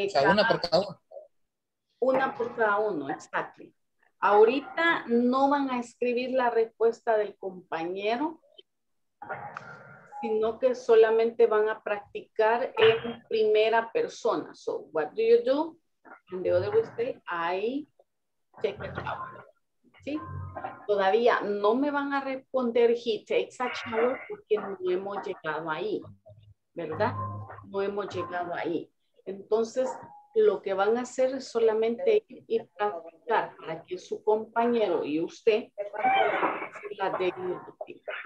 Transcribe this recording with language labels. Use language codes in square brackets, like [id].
[es] Una por cada uno. Una por cada uno, [en] exactly. [es] Ahorita no van a escribir la respuesta del compañero, sino que solamente van a practicar en primera persona. [en] So, what do you do? And the other will say, I take a shower. [es] ¿Sí? Todavía no me van a responder, [en] he takes a shower, [es] porque no hemos llegado ahí. ¿Verdad? No hemos llegado ahí. Entonces, lo que van a hacer es solamente ir y practicar para que su compañero y usted la de YouTube.